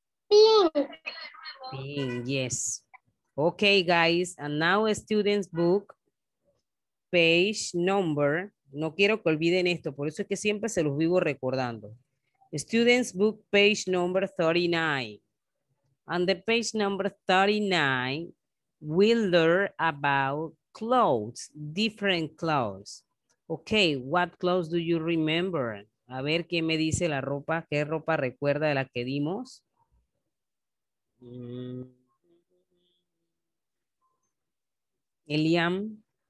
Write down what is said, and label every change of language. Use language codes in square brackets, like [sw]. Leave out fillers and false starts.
[en] Pink. Pink, yes. Okay, guys. And now a student's book, page number. [es] No quiero que olviden esto, por eso es que siempre se los vivo recordando. [en] Student's book, page number 39. On the page number 39, we'll learn about clothes, different clothes. Okay, what clothes do you remember? [es] A ver qué me dice la ropa, qué ropa recuerda de la que dimos. Eliam.